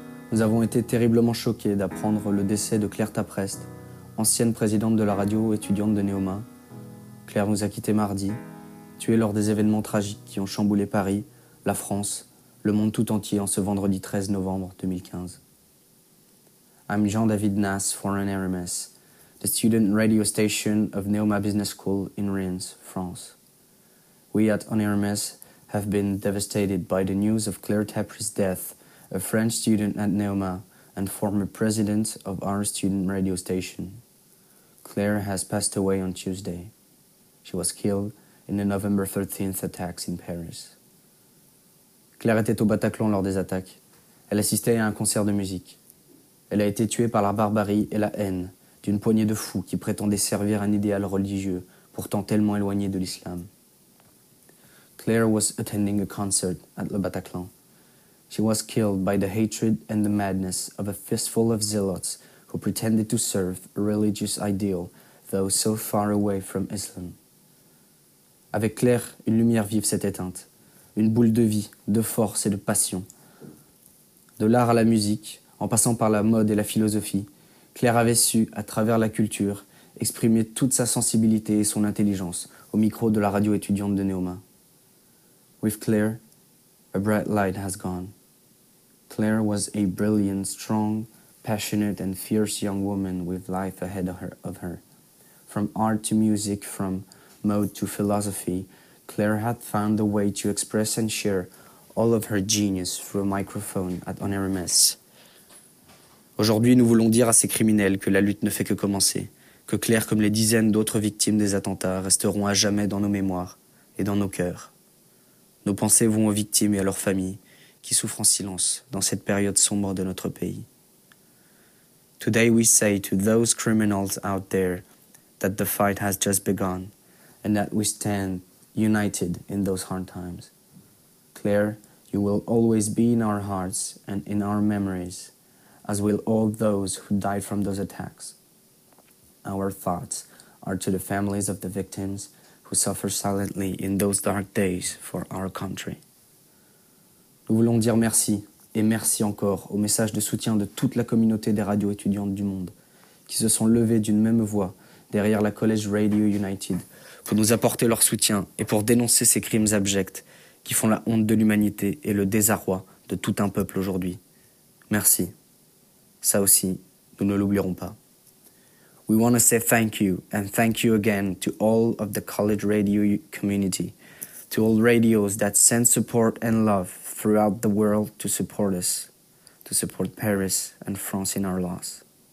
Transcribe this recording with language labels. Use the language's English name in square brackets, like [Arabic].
[French] Nous avons été terriblement choqués d'apprendre le décès de Claire Taprest, ancienne présidente de la radio étudiante de Neoma. Claire nous a quittés mardi, tuée lors des événements tragiques qui ont chamboulé Paris, la France, le monde tout entier en ce vendredi 13 novembre 2015. [English] I'm Jean-David Nas, Foreign RMS, the student radio station of Neoma Business School in Reims, France. We at On Air MS have been devastated by the news of Claire Taprest's death, a French student at Neoma and former president of our student radio station. Claire has passed away on Tuesday. She was killed in the November 13th attacks in Paris. [French] Claire était au Bataclan lors des attaques. Elle assistait à un concert de musique. Elle a été tuée par la barbarie et la haine d'une poignée de fous qui prétendaient servir un idéal religieux, pourtant tellement éloigné de l'islam. [English] Claire was attending a concert at Le Bataclan. She was killed by the hatred and the madness of a fistful of zealots who pretended to serve a religious ideal, though so far away from Islam. [French] Avec Claire, une lumière vive s'est éteinte, une boule de vie, de force et de passion. De l'art à la musique, en passant par la mode et la philosophie, Claire avait su, à travers la culture, exprimer toute sa sensibilité et son intelligence au micro de la radio étudiante de Neoma. [English] With Claire, a bright light has gone. Claire was a brilliant, strong, passionate, and fierce young woman with life ahead of her. From art to music, from mode to philosophy, Claire had found a way to express and share all of her genius through a microphone at On Air MS. [French] Aujourd'hui, nous voulons dire à ces criminels que la lutte ne fait que commencer, que Claire, comme les dizaines d'autres victimes des attentats, resteront à jamais dans nos mémoires et dans nos cœurs. Nos pensées vont aux victimes et à leurs familles qui souffrent en silence dans cette période sombre de notre pays. [English] Today we say to those criminals out there that the fight has just begun and that we stand united in those hard times. Claire, you will always be in our hearts and in our memories, as will all those who died from those attacks. Our thoughts are to the families of the victims who suffer silently in those dark days for our country. [French] Nous voulons dire merci et merci encore au message de soutien de toute la communauté des radios étudiantes du monde qui se sont levées d'une même voix derrière la College Radio United pour nous apporter leur soutien et pour dénoncer ces crimes abjects qui font la honte de l'humanité et le désarroi de tout un peuple aujourd'hui. Merci. Ça aussi, nous ne l'oublierons pas. [English] We want to say thank you and thank you again to all of the college radio community, to all radios that send support and love throughout the world to support us, to support Paris and France in our loss.